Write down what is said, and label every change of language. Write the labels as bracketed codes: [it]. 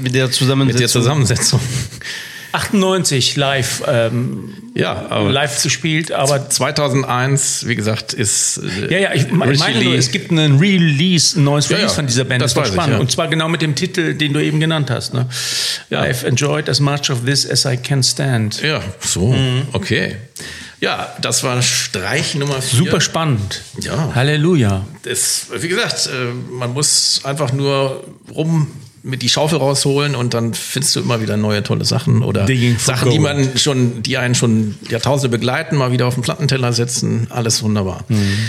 [de] Zusammensetzung. Mit der Zusammensetzung. 98 live, live gespielt, aber 2001, wie gesagt, ist Ich meine, es gibt einen Release, ein neues Release von dieser Band, das war spannend. Ich, ja. Und zwar genau mit dem Titel, den du eben genannt hast. Ne? Ja. [en] I've enjoyed as much of this as I can stand. [de] Ja, so, okay. Ja, das war Streich Nummer 4. Super spannend. Ja. Halleluja. Das, wie gesagt, man muss einfach nur rum mit die Schaufel rausholen und dann findest du immer wieder neue tolle Sachen oder Sachen, die man schon, die einen schon Jahrtausende begleiten, mal wieder auf den Plattenteller setzen. Alles wunderbar. Mhm.